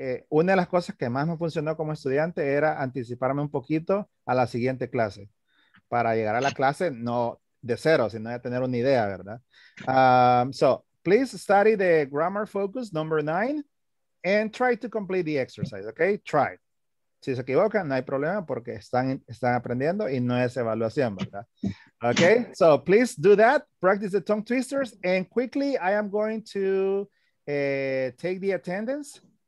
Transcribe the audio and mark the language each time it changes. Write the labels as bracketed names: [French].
[Spanish] Una de las cosas que más me funcionó como estudiante era anticiparme un poquito a la siguiente clase. Para llegar a la clase, no de cero, sino de tener una idea, ¿verdad? [English] So, please study the grammar focus number 9 and try to complete the exercise, okay? Try. [Spanish] Si se equivocan, no hay problema porque están aprendiendo y no es evaluación, ¿verdad? [English] Okay, so please do that. Practice the tongue twisters. And quickly, I am going to take the attendance.